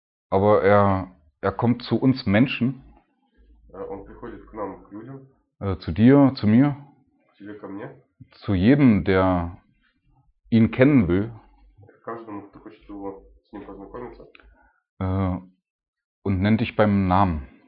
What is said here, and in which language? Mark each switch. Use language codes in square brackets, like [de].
[de] Aber er kommt zu uns Menschen. [ru] Он приходит к нам, к людям. [de] Zu dir, zu mir. [ru] Тебе, ко мне. [de] Zu jedem, der ihn kennen will. [ru] Каждому, кто хочет его, с ним познакомиться. [de] Und nennt dich beim Namen.